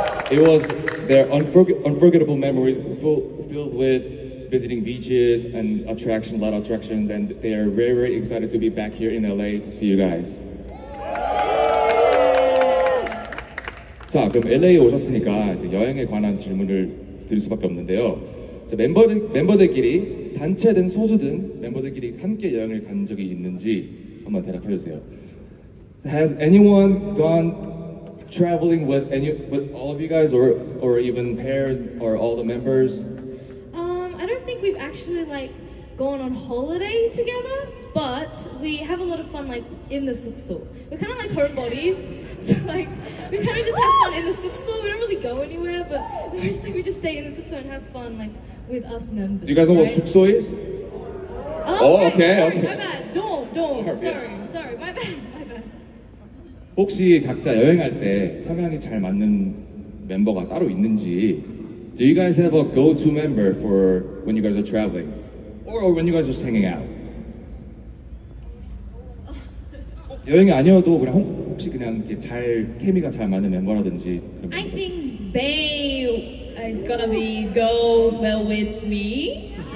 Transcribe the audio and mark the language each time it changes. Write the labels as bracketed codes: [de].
[en] It was their unforgettable memories filled with visiting beaches and attractions, a lot of attractions, and they are very, very excited to be back here in LA to see you guys. [ko] 자, 그럼 LA에 오셨으니까 이제 여행에 관한 질문을 드릴 수밖에 없는데요. 자, 멤버들끼리 단체든 소수든 멤버들끼리 함께 여행을 간 적이 있는지 한번 대답해 주세요. [en] Has anyone gone traveling with any with all of you guys or even pairs or all the members? I don't think we've actually like gone on holiday together, but we have a lot of fun like in the 숙소. We're kind of like homebodies, so like we kind of just have fun in the 숙소. We don't really go anywhere, but we just stay in the 숙소 and have fun like with us members. Do you guys know right? What 숙소 is? Okay. My bad. Dorm. Sorry. My bad. [ko] 혹시 각자 여행할 때 성향이 잘 맞는 멤버가 따로 있는지 [en] Do you guys have a go-to member for when you guys are traveling? Or when you guys are just hanging out? [ko] 여행이 아니어도 그냥 혹시 그냥 이렇게 잘 케미가 잘 맞는 멤버라든지 [en] I think Bae is gonna be goes well with me